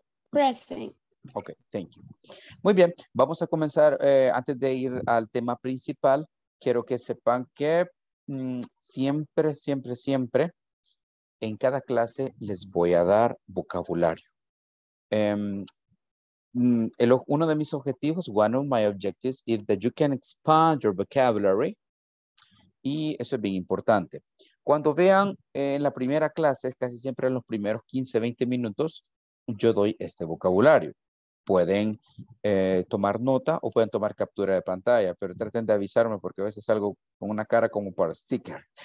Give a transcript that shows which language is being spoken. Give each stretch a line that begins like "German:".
English: Present. Ok, thank you.
Spanish: Muy bien, vamos a comenzar antes de ir al tema principal. Quiero que sepan que siempre en cada clase les voy a dar vocabulario. Uno de mis objetivos,
English: one of my objectives, is that you can expand your vocabulary.
Spanish: Y eso es bien importante. Cuando vean en la primera clase, casi siempre en los primeros 15, 20 minutos, yo doy este vocabulario. Pueden tomar nota o pueden tomar captura de pantalla, pero traten de avisarme porque a veces salgo con una cara como por sticker.